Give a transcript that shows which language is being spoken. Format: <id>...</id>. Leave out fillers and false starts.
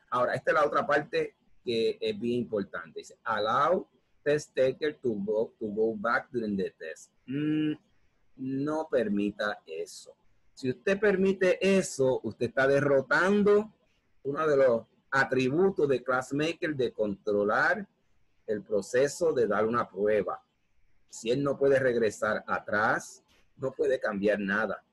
<es>Ahora, esta es la otra parte que es bien importante. Dice,</es> <en>allow test taker to go back during the test.</en> <es>No permita eso. Si usted permite eso, usted está derrotando uno de los atributos de Classmaker de controlar el proceso de dar una prueba. Si él no puede regresar atrás, no puede cambiar nada.</es>